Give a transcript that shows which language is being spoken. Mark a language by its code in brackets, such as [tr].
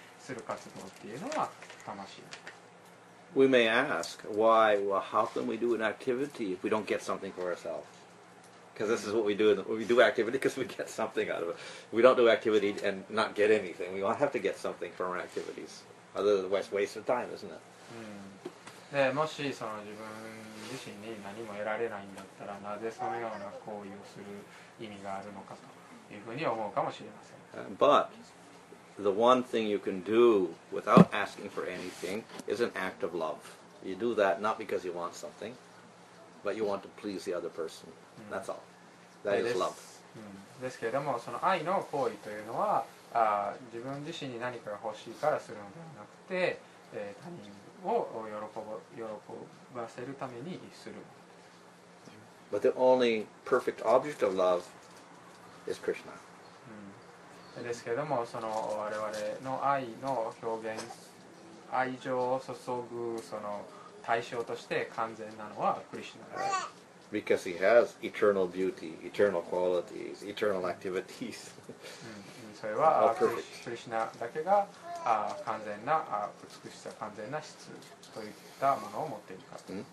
[ja] する活動っていうのは魂。 [en] We may ask, why? Well, how can we do an activity if we don't get something for ourselves? Because this is what we do. We do activity because we get something out of it. If we don't do activity and not get anything, we all have to get something from our activities. Otherwise, it's a waste of time, isn't it? [ja] うん。で、もしその自分自身に何も得られないんだったら、なぜそのような行為をする意味があるのかというふうに思うかもしれません。 [en] But,the one thing you can do without asking for anything is an act of love. You do that not because you want something, but you want to please the other person. That's all. That is love. [ja] ですけれども、その愛の行為というのは、自分自身に何かが欲しいからするのではなくて、他人を喜ばせるためにする。 [en] But the only perfect object of love is Krishna. [ja] ですけれども、その我々の愛の表現、愛情を注ぐその対象として完全なのはクリシュナです。 [en] Because he has eternal beauty, eternal qualities, eternal activities. [ja] それはクリシュナだけが完全な美しさ、完全な質といったものを持っているから。